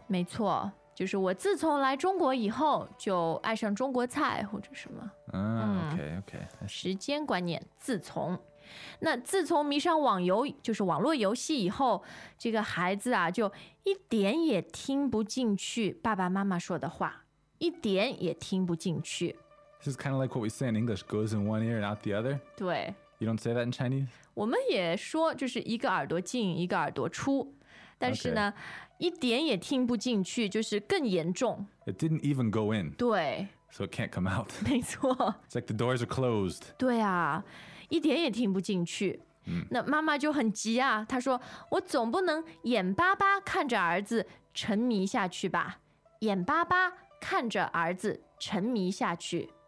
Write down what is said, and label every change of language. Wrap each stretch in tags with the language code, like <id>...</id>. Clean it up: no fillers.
<zh>没错就是我自从来中国以后就爱上中国菜或者什么、</zh> <en>OK</en> <zh>时间观念自从那自从迷上网游就是网络游戏以后这个孩子啊就一点也听不进去爸爸妈妈说的话一点也听不进去</zh> <en>This is kind of like what we say in English goes in one ear and out the other</en> <zh>对</zh> <en>You don't say that in Chinese?</en> <zh>我们也说就是一个耳朵进一个耳朵出但是呢、</zh> <en>okay.</en> <zh>一点也听不进去就是更严重</zh> <en>It didn't even go in</en> <zh>对</zh> <en>So it can't come out</en> <zh>没错</zh> <en>It's like the doors are closed</en> <zh>对啊一点也听不进去、那妈妈就很急啊她说我总不能眼巴巴看着儿子沉迷下去吧眼巴巴看着儿子沉迷下去</zh>